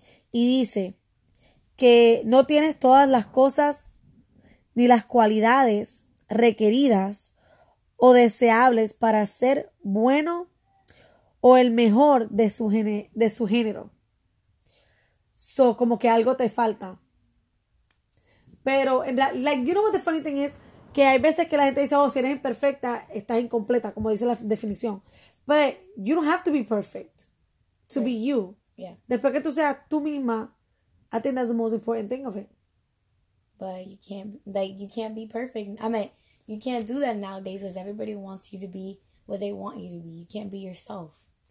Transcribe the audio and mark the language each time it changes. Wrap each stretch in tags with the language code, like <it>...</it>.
<es>Y dice que no tienes todas las cosas ni las cualidades requeridas o deseables para ser bueno o el mejor de su género. So, como que algo te falta.</es> <en>Pero, you know what the funny thing is?</en> <es>Que hay veces que la gente dice, oh, si eres imperfecta, estás incompleta, como dice la definición.</es> <en>But you don't have to be perfect to be you. Yeah.</en> <es>Después que tú seas tú misma,</es> <en>I think that's the most important thing of it. But you can't be perfect. I mean, you can't do that nowadays because everybody wants you to be what they want you to be. You can't be yourself.</en>